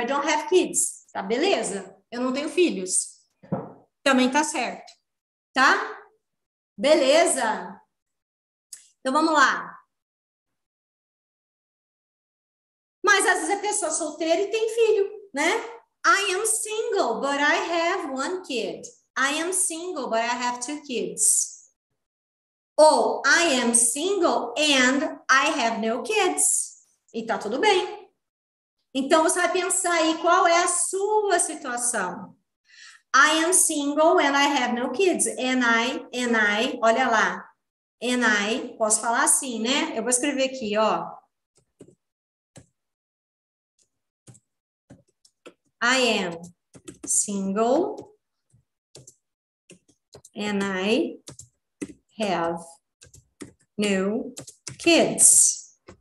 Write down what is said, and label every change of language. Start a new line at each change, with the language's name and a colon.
English: I don't have kids.
Portuguese: Tá, beleza? Eu não tenho filhos. Também tá certo. Tá? Beleza? Então, vamos lá. Mas, às vezes, a pessoa é solteira e tem filho, né?
English: I am single, but I have one kid. I am single, but I have two kids. Ou, I am single and I have no kids.
Portuguese: E tá tudo bem. Então, você vai pensar aí qual é a sua situação.
English: I am single and I have no kids. And I,
Portuguese: olha lá.
English: And I,
Portuguese: posso falar assim, né? Eu vou escrever aqui, ó.
English: I am single and I have no kids.